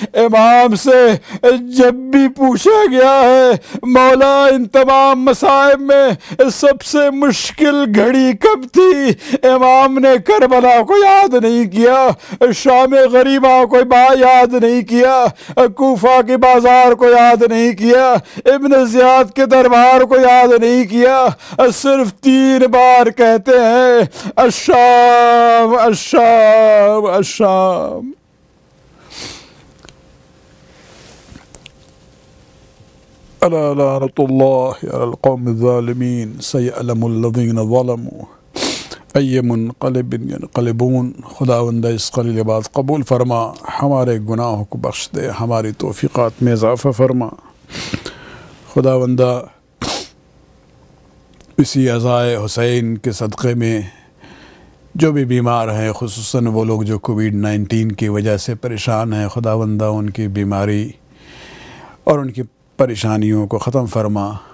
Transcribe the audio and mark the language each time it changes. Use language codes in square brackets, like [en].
[ur] امام سے جب بھی پوچھا گیا ہے مولا ان تمام مصائب میں سب سے مشکل گھڑی کب تھی؟ امام نے کربلا کو یاد نہیں کیا, شام غریبہ کو با یاد نہیں کیا, کوفہ کے بازار کو یاد نہیں کیا, ابن زیاد کے دربار کو یاد نہیں کیا, صرف 3 بار کہتے ہیں الشام الشام الشام. [ar] الا لعنة الله على القوم الظالمين سيعلم الذين ظلموا اي منقلب ينقلبون. [ur] خداوند اس قلیل بات قبول فرما, ہمارے گناہوں کو بخش دے, ہماری توفیقات میں اضافہ فرما. خداوند اسی عزائے حسین کے صدقے میں جو بھی بیمار ہیں, خصوصاً وہ لوگ جو COVID-19 کی وجہ سے پریشان ہیں, خداوند ان کی بیماری اور ان کی پریشانیوں کو ختم فرما.